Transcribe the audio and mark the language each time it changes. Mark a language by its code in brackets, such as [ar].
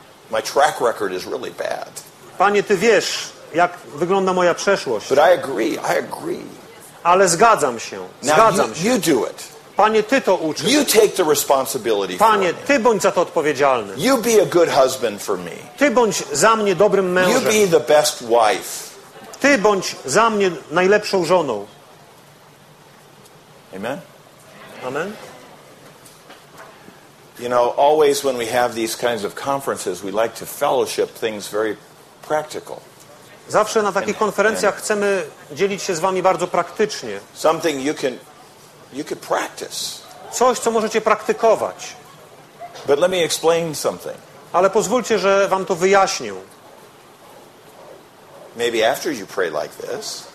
[en] My track record is really bad. [pl] Panie, Ty wiesz, jak wygląda moja przeszłość. [en] But I agree, I agree. [pl] Ale zgadzam się. Zgadzam [en] Now you do it. [pl] Panie, Ty to uczyń. [en] You take the responsibility [pl] Panie, [en] for me. [pl] Ty bądź za to odpowiedzialny. [en] You be a good husband for me. [pl] Ty bądź za mnie dobrym mężem. [en] You be the best wife. [pl] Ty bądź za mnie najlepszą żoną. [en] Amen. [pl] Amen. [en] You know, always when we have these kinds of conferences, we like to fellowship things very practical. [pl] Zawsze na takich konferencjach chcemy dzielić się z wami bardzo praktycznie. [en] Something you can practice. [pl] Coś, co możecie praktykować. [en] But let me explain something. [pl] Ale pozwólcie, że wam to wyjaśnię. [en] Maybe after you pray like this,